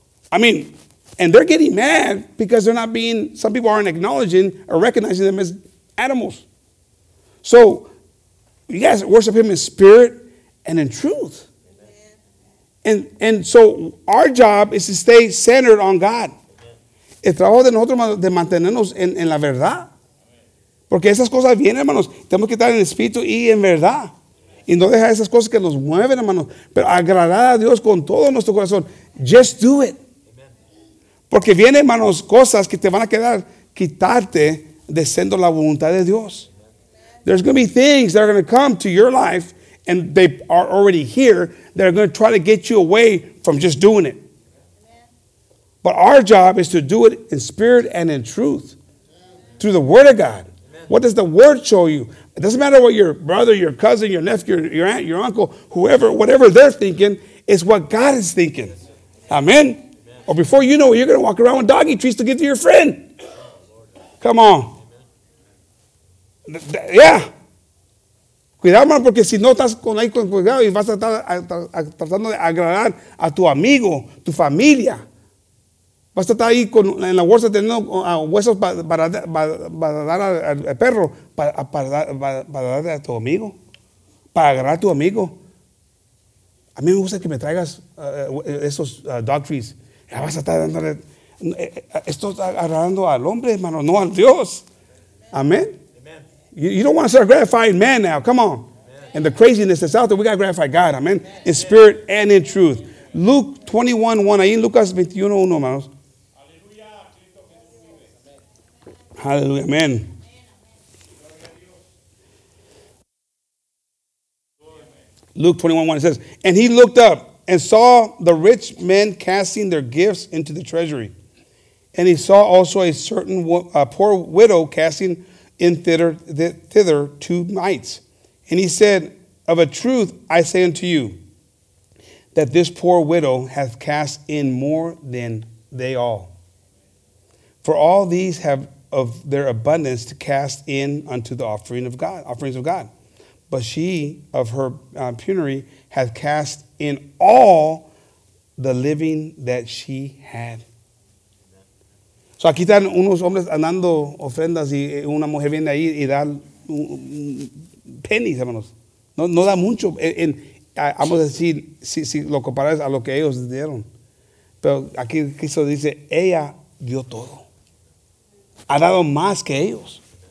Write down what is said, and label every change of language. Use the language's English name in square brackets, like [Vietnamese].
[English] I mean, and they're getting mad because they're not being, some people aren't acknowledging or recognizing them as animals. So, you guys worship him in spirit and in truth. And so, our job is to stay centered on God. [Spanish] El trabajo de nosotros de mantenernos en la verdad. Porque esas cosas vienen, hermanos. Tenemos que estar en espíritu y en verdad. Y no dejar esas cosas que nos mueven, hermanos. Pero agradar a Dios con todo nuestro corazón. [English] Just do it. [Spanish] Porque vienen, hermanos, cosas que te van a quitarte de siendo la voluntad de Dios. [English] There's going to be things that are going to come to your life and they are already here that are going to try to get you away from just doing it. But our job is to do it in spirit and in truth. Through the word of God. What does the word show you? It doesn't matter what your brother, your cousin, your nephew, your aunt, your uncle, whoever, whatever they're thinking, it's what God is thinking. Amen. Amen. Or before you know it, you're going to walk around with doggy treats to give to your friend. Come on. Yeah. [Spanish] Cuidado, man, porque si no estás con ahí con cuidado y vas a estar tratando de agradar a tu amigo, tu familia. Vas a estar ahí con, en la bolsa teniendo huesos para dar al perro, para dar a tu amigo, para agarrar a tu amigo. A mí me gusta que me traigas esos [English] dog trees. [Spanish] Ya vas a estar dando, esto está agarrando al hombre, hermano, no al Dios. Amén. [English] You don't want to start gratifying man now. Come on. Amen. And the craziness that's out there, we got to gratify God. Amen. In spirit and in truth. Luke 21:1. [Spanish] Ahí en Lucas 21:1, hermanos. [English] Hallelujah. Amen. Luke 21:1, it says, and he looked up and saw the rich men casting their gifts into the treasury. And he saw also a certain poor widow casting in thither two mites. And he said, of a truth, I say unto you, that this poor widow hath cast in more than they all. For all these have of their abundance to cast in unto the offering of God, offerings of God. But she of her penury hath cast in all the living that she had. [Spanish] So aquí están unos hombres andando ofrendas y una mujer viene ahí y da pennies, hermanos. No da mucho. Vamos a decir, si lo comparas a lo que ellos dieron. Pero aquí Cristo dice, ella dio todo. Ha dado más que ellos.